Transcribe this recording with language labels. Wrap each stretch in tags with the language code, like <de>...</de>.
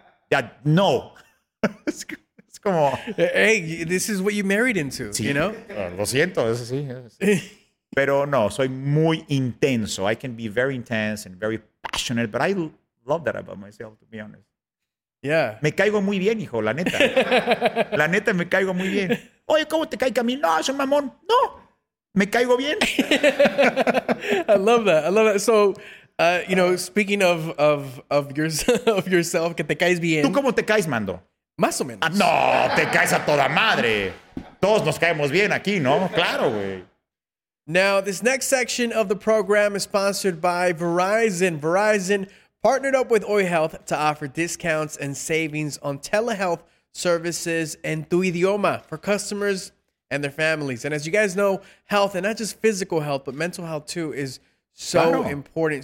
<en>That, no. It's come on. Hey, this is what you married into,</en> <es>sí.</es> <en>You know?</en> <es>Lo siento. Eso sí. Pero no, soy muy intenso.</es> <en>I can be very intense and very passionate, but I love that about myself, to be honest. Yeah.</en> <es>Me caigo muy bien, hijo, la neta. La neta, me caigo muy bien. Oye, ¿cómo te cae Camilo? No, soy mamón. No. Me caigo bien.</es> <en>I love that. So... speaking of yourself,</en> <es>que te caes bien. ¿Tú cómo te caes, Mando? Más o menos. Ah, no, te caes a toda madre. Todos nos caemos bien aquí, ¿no? Claro, güey.</es> <en>Now, this next section of the program is sponsored by Verizon. Verizon partnered up with Oi Health to offer discounts and savings on telehealth services</en> <es>en tu idioma</es> <en>for customers and their families. And as you guys know, health, and not just physical health, but mental health too, is so important.</en>